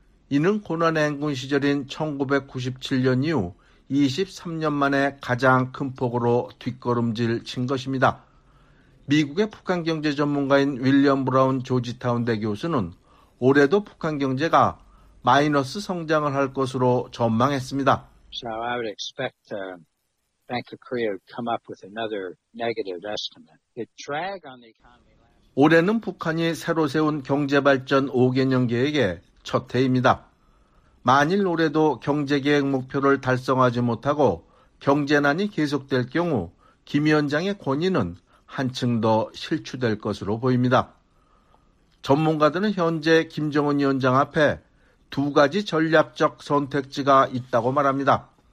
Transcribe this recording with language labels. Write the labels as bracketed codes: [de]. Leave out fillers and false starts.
[ko] 이는 고난의 행군 시절인 1997년 이후 23년 만에 가장 큰 폭으로 뒷걸음질 친 것입니다. 미국의 북한 경제 전문가인 윌리엄 브라운 조지타운 대 교수는 올해도 북한 경제가 마이너스 성장을 할 것으로 전망했습니다. [en] So I would expect Bank of Korea would come up with another negative estimate. The drag on the economy last year. [ko] 올해는 북한이 새로 세운 경제발전 5개년 계획의 첫 해입니다. 만일 올해도 경제계획 목표를 달성하지 못하고 경제난이 계속될 경우 김 위원장의 권위는 한층 더 실추될 것으로 보입니다. 전문가들은 현재 김정은 위원장 앞에 두 가지 전략적 선택지가 있다고 말합니다.